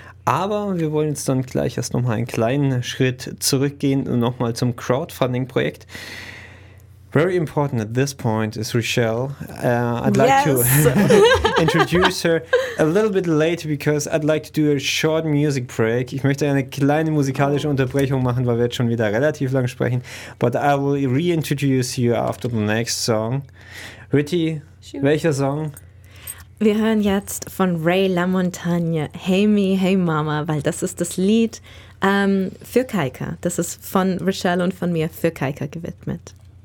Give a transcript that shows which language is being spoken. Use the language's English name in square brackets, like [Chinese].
[German] Aber wir wollen jetzt dann gleich erst nochmal einen kleinen Schritt zurückgehen und nochmal zum Crowdfunding-Projekt. [English] Very important at this point is Rochelle. I'd like to introduce her a little bit later because I'd like to do a short music break. [German] Ich möchte eine kleine musikalische Unterbrechung machen, weil wir jetzt schon wieder relativ lang sprechen. [English] But I will reintroduce you after the next song. [German] Ritty, sure. Welcher Song? Wir hören jetzt von Ray LaMontagne, Hey Me, Hey Mama, weil das ist das Lied für Kaika. Das ist von Rochelle und von mir für Kaika gewidmet.